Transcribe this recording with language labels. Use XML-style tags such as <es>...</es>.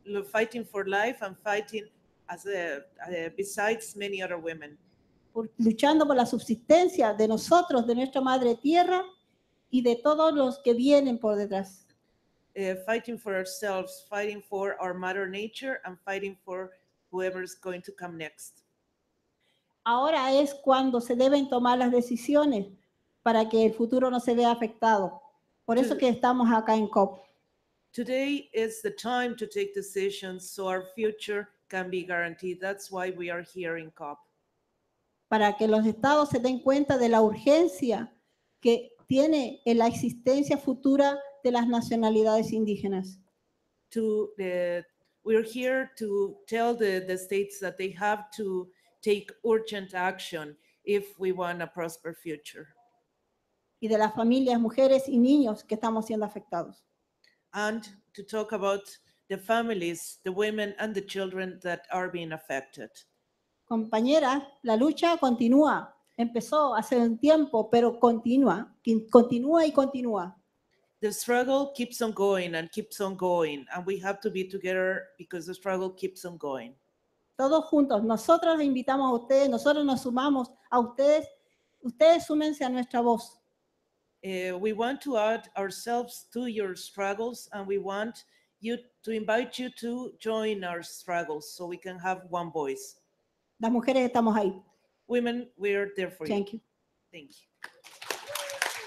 <en>Fighting for life and fighting as besides many other women.</en> <es>Luchando por la subsistencia de nosotros, de nuestra madre tierra y de todos los que vienen por detrás.</es> <en>Fighting for ourselves, fighting for our mother nature and fighting for whoever's going to come next.</en> <es>Ahora es cuando se deben tomar las decisiones para que el futuro no se vea afectado. Por eso que estamos acá en COP.</es> <en>Today is the time to take decisions so our future can be guaranteed. That's why we are here in COP.</en> <es>Para que los estados se den cuenta de la urgencia que tiene en la existencia futura de las nacionalidades indígenas.</es> <en>We're here to tell the states that they have to take urgent action if we want a prosperous future.</en> <es>Y de las familias, mujeres y niños que estamos siendo afectados.</es> <en>And to talk about the families, the women and the children that are being affected.</en> <es>Compañera, la lucha continúa. Empezó hace un tiempo, pero continúa, continúa y continúa.</es> <en>The struggle keeps on going and keeps on going, and we have to be together because the struggle keeps on going.</en> <es>Todos juntos, nosotros les invitamos a ustedes, nosotros nos sumamos a ustedes, ustedes súmense a nuestra voz.</es> <en>We want to add ourselves to your struggles, and we want you to invite you to join our struggles so we can have one voice.</en> <es>Las mujeres estamos ahí.</es> <en>Women, we are there for you. Thank you. Thank you.</en>